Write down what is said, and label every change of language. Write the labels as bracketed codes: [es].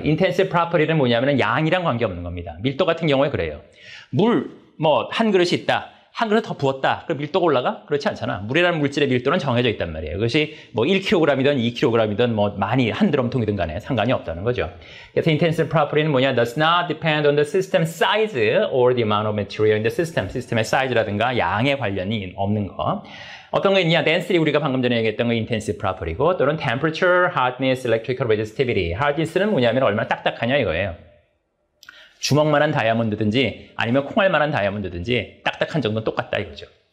[ko] intensive property는 뭐냐면 양이랑 관계없는 겁니다. 밀도 같은 경우에 그래요. 물, 뭐 한 그릇이 있다. 한 그릇 더 부었다. 그럼 밀도가 올라가? 그렇지 않잖아. 물이라는 물질의 밀도는 정해져 있단 말이에요. 그것이 뭐 1kg이든 2kg이든 뭐 많이 한 드럼통이든 간에 상관이 없다는 거죠. 그래서 intensive property는 뭐냐? [en] does not depend on the system size or the amount of material in the system. [ko] 시스템의 사이즈라든가 양에 관련이 없는 거. 어떤 거 있냐? density 우리가 방금 전에 얘기했던 거 intensive property고, 또는 temperature, hardness, electrical resistivity. hardness는 뭐냐면 얼마나 딱딱하냐 이거예요. 주먹만한 다이아몬드든지 아니면 콩알만한 다이아몬드든지 딱딱한 정도는 똑같다 이거죠.